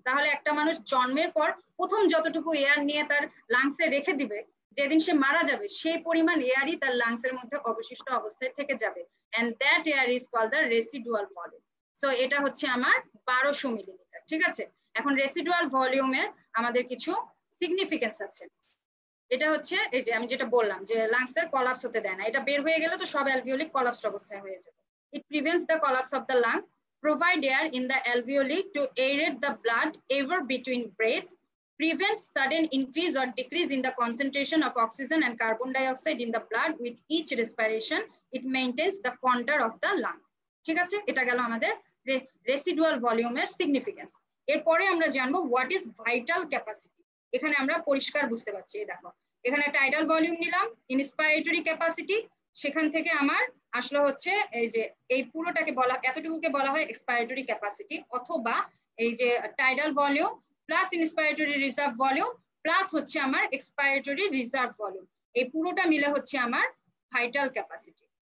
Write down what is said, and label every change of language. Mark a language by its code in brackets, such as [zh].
[bn] তাহলে একটা মানুষ জন্মের পর প্রথম যতটুকু এয়ার নিয়ে তার লাংস এ রেখে দিবে, যেদিন সে মারা যাবে সেই পরিমাণ এয়ারই তার লাংস এর মধ্যে অবশিষ্ট অবস্থায় থেকে যাবে, [en] And that air is called the residual volume. [bn] So এটা হচ্ছে আমার 1200 মিলিলিটার। ঠিক আছে, এখন রেসিডুয়াল ভলিউমের আমাদের কিছু সিগনিফিকেন্স আছে। এটা হচ্ছে এই যে আমি যেটা বললাম যে লাংস এর কলাপস হতে দেয় না, এটা বের হয়ে গেলে তো সব অ্যালভিওলিক কলাপসড অবস্থায় হয়ে যাবে। [en] It prevents the collapse of the lung, provide air in the alveoli to aerate the blood ever between breath, prevents sudden increase or decrease in the concentration of oxygen and carbon dioxide in the blood with each respiration, it maintains the contour of the lung. [bn] ঠিক আছে, এটা গেল আমাদের residual volume এর significance. এরপরে আমরা জানবো [en] what is vital capacity। [bn] এখানে আমরা পরিষ্কার বুঝতে পারছি, এই দেখো এখানে tidal volume নিলাম, inspiratory capacity, সেখান থেকে আমার আসলো হচ্ছে এই যে এই পুরোটাকে বলা এতটুকুকে বলা হয় expiratory capacity, অথবা এই যে tidal volume plus ইনস্পিরেটরি reserve volume plus হচ্ছে আমার এক্সপিরেটরি রিজার্ভ ভলিউম, এই পুরোটা মিলে হচ্ছে আমার ভাইটাল ক্যাপাসিটি।